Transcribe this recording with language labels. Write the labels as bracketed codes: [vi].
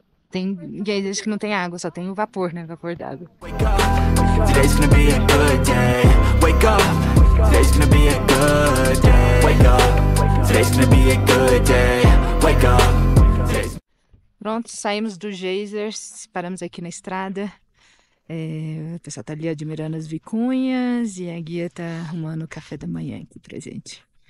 [pt] Tem guias que não tem água, só tem o vapor, né? Vapor d'água. [en] Today's gonna be a good day. Wake up, today's gonna be a good day. Wake up, today's gonna be a good day. Wake up. [pt] Pronto, saímos do geyser, paramos aqui na estrada. É, o pessoal tá ali admirando as vicunhas e a guia tá arrumando o café da manhã aqui pra gente.